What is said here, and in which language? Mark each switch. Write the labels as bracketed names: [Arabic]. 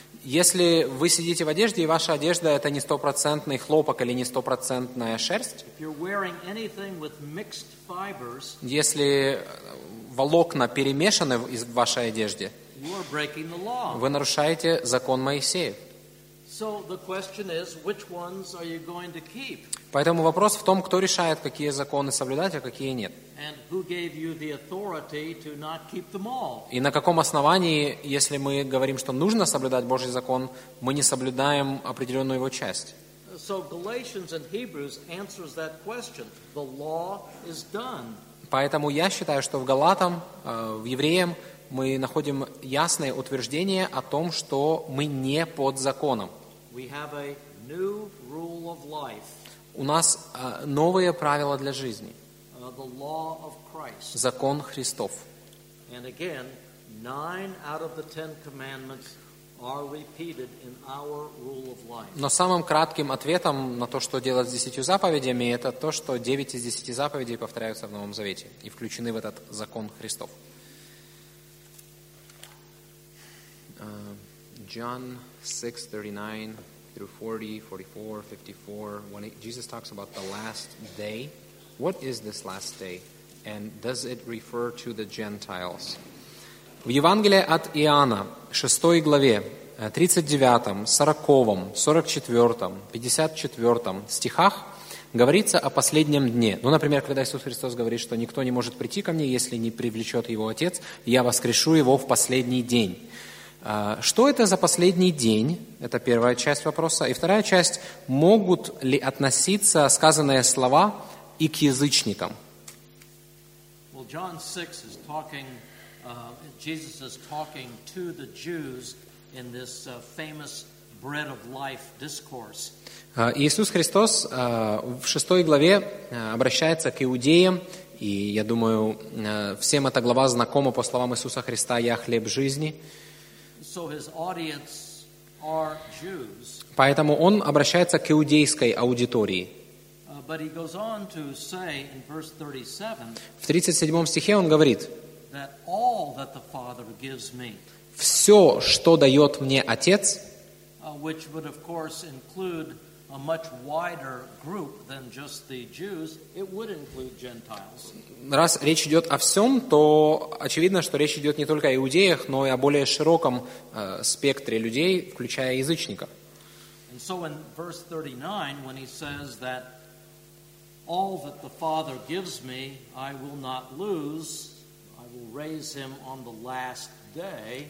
[Russian] Если вы сидите в одежде, и ваша одежда это не 100% хлопок или не 100% шерсть. [English] If you're wearing anything with mixed fibers. [Russian] Если волокна перемешаны в вашей одежде. [English] You are breaking the law. [Russian] Вы нарушаете закон Моисея. [English] So the question is, which ones are you going to keep? [Russian] Поэтому вопрос в том, кто решает, какие законы соблюдать, а какие нет. [English] And who gave you the authority to not keep them all? [Russian] И на каком основании, если мы говорим, что нужно соблюдать Божий закон, мы не соблюдаем определенную его часть? [English] So Galatians and Hebrews answers that question. The law is done. [Russian] Поэтому я считаю, что в Галатам, в Евреям, мы находим ясное утверждение о том, что мы не под законом. [English] We have a new rule of life. [Russian] У нас новые правила для жизни. [English] The law of Christ. [Russian] Закон Христов. [English] And again, 9 out of the 10 commandments are repeated in our rule of life. [Russian] Но самым кратким ответом на то, что делать с десятью заповедями, это то, что 9 из 10 заповедей повторяются в Новом Завете и включены в этот закон Христов. [English] John 6:39 through 40, 44, 54, when Jesus talks about the last day, what is this last day, and does it refer to the Gentiles? [Russian] В Евангелии от Иоанна, 6 главе, 39, 40, 44, 54 стихах, говорится о последнем дне. Ну, например, когда Иисус Христос говорит, что никто не может прийти ко мне, если не привлечет его Отец, я воскрешу его в последний день. Что это за последний день? Это первая часть вопроса. И вторая часть, могут ли относиться сказанные слова и к язычникам? [English] Well, John 6 is talking, Jesus is talking to the Jews in this famous bread of life discourse. [Russian] Иисус Христос в шестой главе обращается к иудеям, и я думаю, всем эта глава знакома по словам Иисуса Христа «Я хлеб жизни». [English] So his audience are Jews. [Russian] Поэтому он обращается к иудейской аудитории. [English] But he goes on to say in verse 37. [Russian] В 37 стихе он говорит. [English] That all that the Father gives me. [Russian] Все, что дает мне Отец. [English] Which would of course include a much wider group than just the Jews, it would include Gentiles. [Russian] Раз речь идет о всем, то очевидно, что речь идет не только о иудеях, но и о более широком спектре людей, включая язычников. [English] And so in verse 39, when he says that all that the Father gives me, I will not lose, I will raise him on the last day.